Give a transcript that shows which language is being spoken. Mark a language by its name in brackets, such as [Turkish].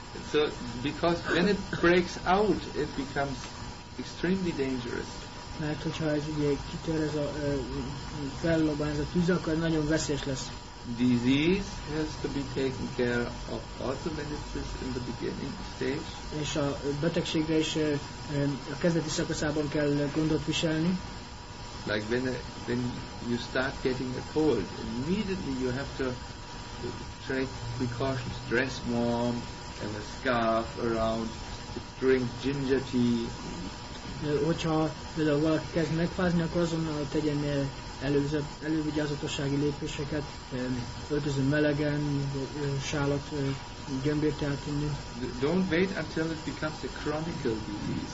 [English] So, because when it breaks out, it becomes extremely dangerous. [Hungarian] mert hogyha ez ugye kitör, ez a fellobban ez a tűz, akkor nagyon veszélyes lesz. [English] Disease has to be taken care of automatically in the beginning stage. [Hungarian] És a betegségre is a kezdeti szakaszában kell gondot viselni. [English] Like when you start getting a cold, immediately you have to take precautions, dress warm and a scarf around, drink ginger tea. [Hungarian] Hogyha például valaki kezd megfázni, akkor azonnal tegyen elővigyázatossági lépéseket, öltözön melegen, sálat, gyömbért eltűnni. [English] Don't wait until it becomes a chronic disease.